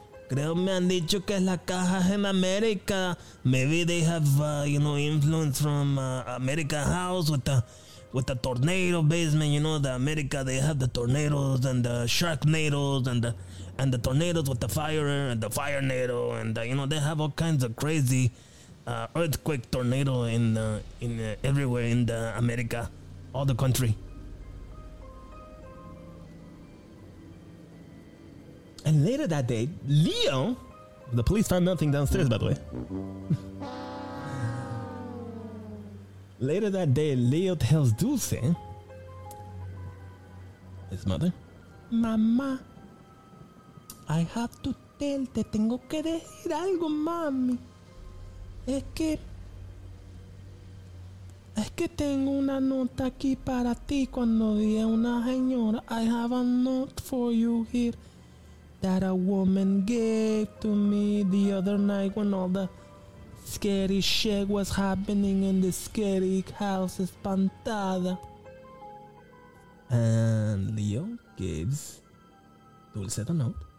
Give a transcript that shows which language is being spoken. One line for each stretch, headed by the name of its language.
Spanish: Creo me han dicho que es la caja en América.
English: Maybe they have, you know, influence from America House with the tornado basement. You know, the America, they have the tornadoes and the sharknadoes and the tornadoes with the fire and the fire nado. And, you know, they have all kinds of crazy earthquake tornado in everywhere in the America, all the country. And later that day, Leo... The police found nothing downstairs, by the way. Later that day, Leo tells Dulce... His mother?
Spanish: Mama,
English: I have to tell,
Spanish: te tengo que decir algo, mami. Es que tengo una nota aquí para ti cuando vi a una señora.
English: I have a note for you here. That a woman gave to me the other night when all the scary shit was happening in the scary house espantada. And Leo gives Dulce the note.